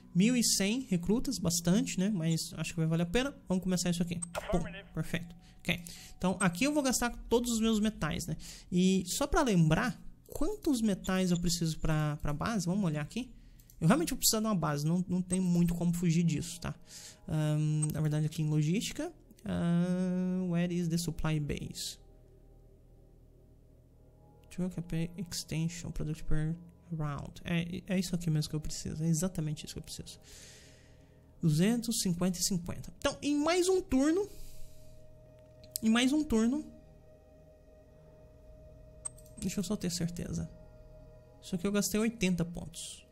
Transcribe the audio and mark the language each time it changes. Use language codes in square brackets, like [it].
[pt] 1.100 recrutas, bastante, né? Mas acho que vai valer a pena. Vamos começar isso aqui. Bom, perfeito. Ok. Então, aqui eu vou gastar todos os meus metais, né? E só para lembrar, quantos metais eu preciso para a base? Vamos olhar aqui. Eu realmente vou precisar de uma base. Não tem muito como fugir disso, tá? Na verdade, aqui em logística. [en] Where is the supply base? Extension, product per round. [pt] É isso aqui mesmo que eu preciso. É exatamente isso que eu preciso. 250 e 50. Então, em mais um turno. Em mais um turno. Deixa eu só ter certeza. Só que eu gastei 80 pontos.